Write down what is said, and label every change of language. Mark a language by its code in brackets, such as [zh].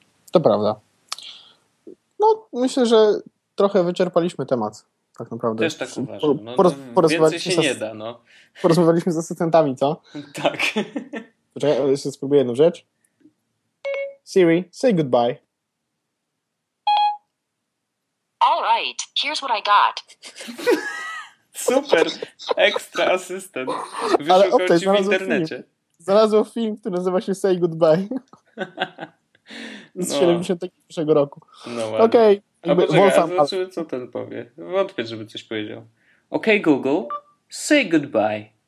[pl] To prawda. No, myślę, że trochę wyczerpaliśmy temat, tak naprawdę. Też tak uważam. Więcej się nie da, no. Porozmawialiśmy z asystentami, co? Tak. Poczekaj, jeszcze spróbuję jedną rzecz. [en] Siri, say goodbye. All right, here's what I got. [pl] Super, ekstra asystent. Ale okej, ci w internecie. Znalazłem film, który nazywa się Say Goodbye. Z 71 roku. No ładnie. Okay, zobaczymy, co ten powie. Wątpię, żeby coś powiedział. [en] Okej, okay, Google, say goodbye.